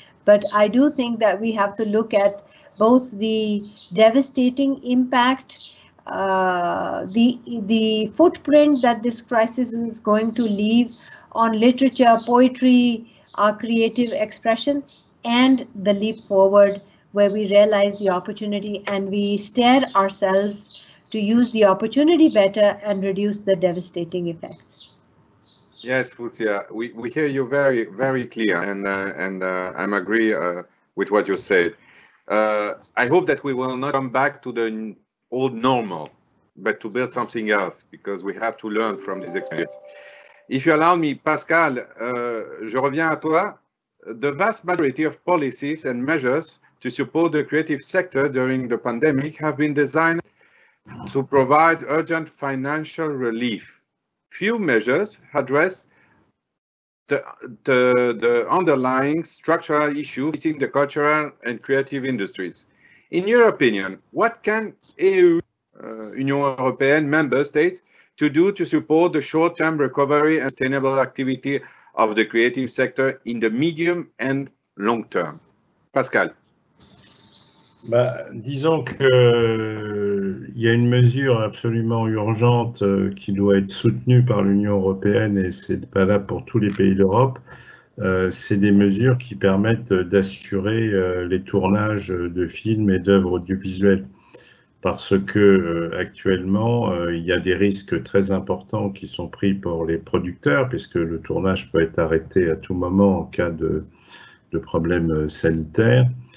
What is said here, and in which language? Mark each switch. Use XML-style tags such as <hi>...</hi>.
<en>But I do think that we have to look at both the devastating impact, the footprint that this crisis is going to leave on literature, poetry, our creative expression, and the leap forward where we realize the opportunity and we stare ourselves to use the opportunity better and reduce the devastating effects. Yes, Fouzia, we hear you very, very clear, and I'm agree with what you said. I hope that we will not come back to the old normal, but to build something else, because we have to learn from this experience. If you allow me, Pascal,</en> <fr>je reviens à toi.</fr> <en>The vast majority of policies and measures to support the creative sector during the pandemic have been designed to provide urgent financial relief. Few measures address the underlying structural issue facing the cultural and creative industries. In your opinion, what can EU, Union Européenne member states, to do to support the short-term recovery and sustainable activity of the creative sector in the medium and long term? Pascal.</en> <fr>Bah, disons que il y a une mesure absolument urgente qui doit être soutenue par l'Union européenne, et c'est pas là pour tous les pays d'Europe. C'est des mesures qui permettent d'assurer les tournages de films et d'œuvres audiovisuelles, parce que actuellement il y a des risques très importants qui sont pris pour les producteurs, puisque le tournage peut être arrêté à tout moment en cas de problèmes sanitaires.</fr>